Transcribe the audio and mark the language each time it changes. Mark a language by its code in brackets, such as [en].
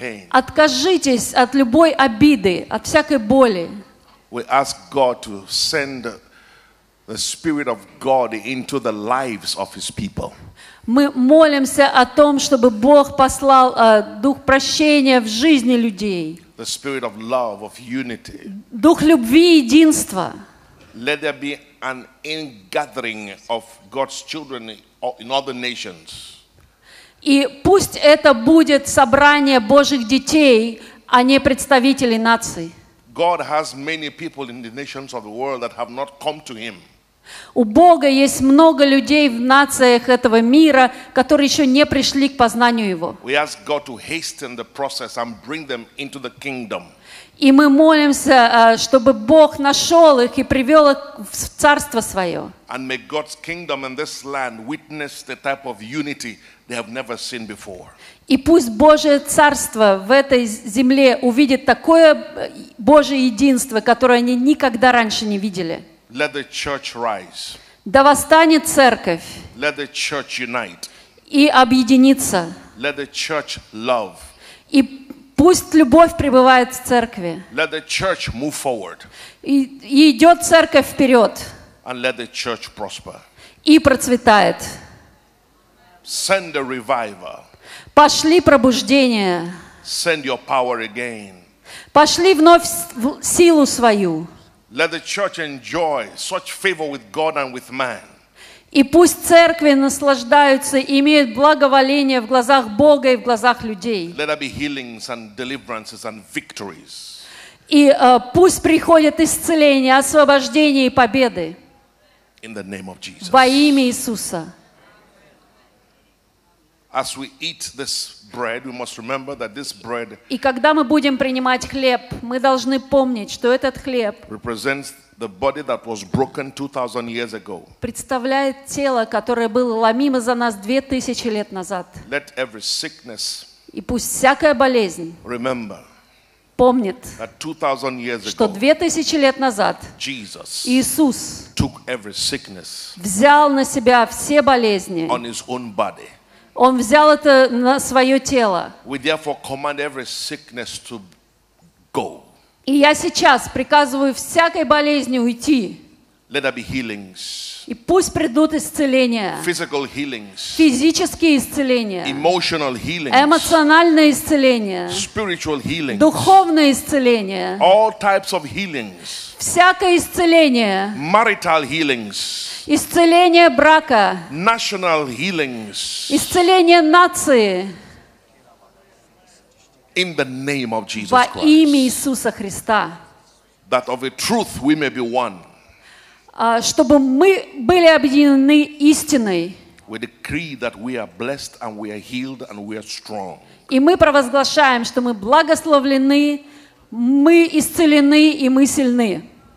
[ru] Откажитесь от любой обиды, от всякой боли. Мы просим Бога послать [en] the Spirit of God into the lives of His people. [ru] Мы молимся о том, чтобы Бог послал дух прощения в жизни людей. [en] The Spirit of love, of unity. [ru] Дух любви и единства. [en] Let there be an ingathering of God's children in other nations. [ru] И пусть это будет собрание Божьих детей, а не представителей наций. [en] God has many people in the nations of the world that have not come to Him. [ru] У Бога есть много людей в нациях этого мира, которые еще не пришли к познанию Его. [en] We ask God to hasten the process and bring them into the kingdom. [ru] И мы молимся, чтобы Бог нашел их и привел их в царство свое. [en] And may God's kingdom and this land witness the type of unity they have never seen before. [ru] И пусть Божье царство в этой земле увидит такое Божье единство, которое они никогда раньше не видели. [en] Let the church rise. [ru] Да восстанет церковь. [en] Let the church unite. [ru] И объединится. [en] Let the church love. [ru] И пусть любовь пребывает в церкви. [en] Let the church move forward. [ru] И идет церковь вперед. [en] And let the church prosper. [ru] И процветает. [en] Send a revival. [ru] Пошли пробуждение. [en] Send your power again. [ru] Пошли вновь силу свою. [en] Let the church enjoy such favor with God and with man. [ru] И пусть церкви наслаждаются и имеют благоволение в глазах Бога и в глазах людей. [en] Let there be healings and deliverances and victories. [ru] И пусть приходят исцеления, освобождения и победы. [en] In the name of Jesus. [ru] Во имя Иисуса. [en] As we eat this bread, we must remember that this bread. [ru] И когда мы будем принимать хлеб, мы должны помнить, что этот хлеб [en] represents the body that was broken 2,000 years ago. [ru] Представляет тело, которое было ломимо за нас 2,000 лет назад. [en] Let every sickness. [ru] И пусть всякая болезнь. [en] Remember. [ru] Помнит. [en] That 2,000 years ago. [ru] Что 2,000 лет назад. [en] Jesus. [ru] Иисус. [en] Took every sickness. [ru] Взял на себя все болезни. [en] On his own body. [ru] Он взял это на свое тело. [en] We therefore command every sickness to go. [ru] И я сейчас приказываю всякой болезни уйти. [en] Let there be healings. [ru] И пусть придут исцеления. [en] Physical healings. [ru] Физические исцеления. [en] Emotional healings. [ru] Эмоциональное исцеление. [en] Spiritual healings. [ru] Духовное исцеление. [en] All types of healings. [ru] Всякое исцеление. [en] Marital healings. [ru] Исцеление брака. [en] National healings. [ru] Исцеление нации. [en] In the name of Jesus [ru] Во имя Иисуса Христа. [en] That of a truth we may be one. [ru] Чтобы мы были объединены истиной. [en] We decree that we are blessed and we are healed and we are strong. [ru] И мы провозглашаем, что мы благословлены, мы исцелены и мы сильны.